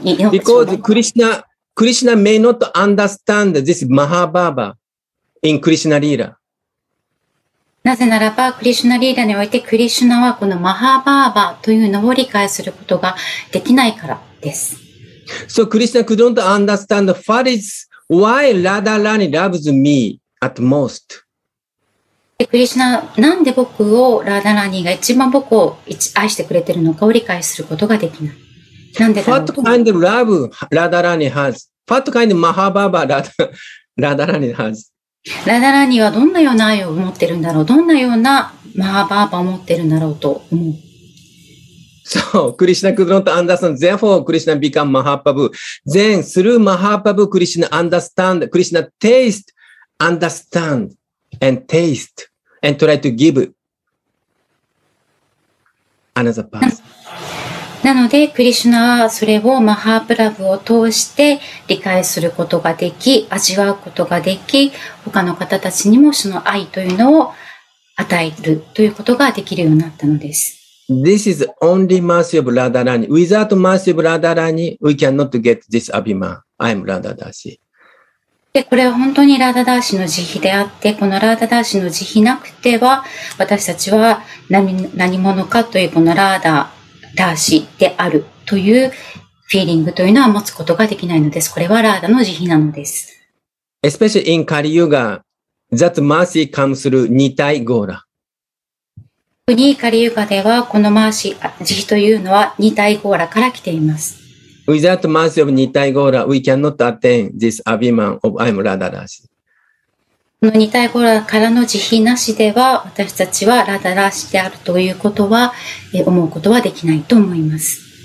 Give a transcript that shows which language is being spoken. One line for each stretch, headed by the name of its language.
English: Because Krishna may not understand this Mahabharata in Krishna Lila.
Japanese: なぜならば、クリシュナリーラにおいてクリシュナはこのマハバーバというのを理解することができないからです。
English: So Krishna couldn't understand what is why Radharani loves me. At most.
Japanese: クリシュナ、なんで僕をラダラニーが一番僕を愛してくれてるのかを理解することができない。なんでだろう。
English: What kind of love Radharani has? What kind of Mahabharata Radharani has?
Japanese: ラダラニーはどんなような愛を持ってるんだろう。どんなようなマハバーバを持ってるんだろうと思う。
English: So, Krishna could not understand. Therefore, Krishna become Mahaprabhu. Then, through Mahaprabhu, Krishna understand. Krishna taste. Understand and taste and try to give another path.
Japanese: なので、クリシュナはそれをマハープラブを通して理解することができ、味わうことができ、他の方たちにもその愛というのを与えるということができるようになったのです。
English: This is only mercy of Radharani. Without mercy of Radharani, we cannot get this Abhima. I am Radhadashi.
Japanese: でこれは本当にラダダーシの慈悲であって、このラダダーシの慈悲なくては、私たちは 何者かというこのラダダーシであるというフィーリングというのは持つことができないのです。これはラダの慈悲なのです。
English: Especially in Kali Yuga, that mercy comes through Nitai Gora.
Japanese: 特にカリユガではこのマーシー、慈悲というのはニタイゴーラから来ています。
English: Without mercy of Nitai Gora, we cannot attain this Abhiman of I am Radharashi.
Japanese: この Nitai Gora からの慈悲なしでは、私たちはラダラシであるということは、思うことはできないと思います。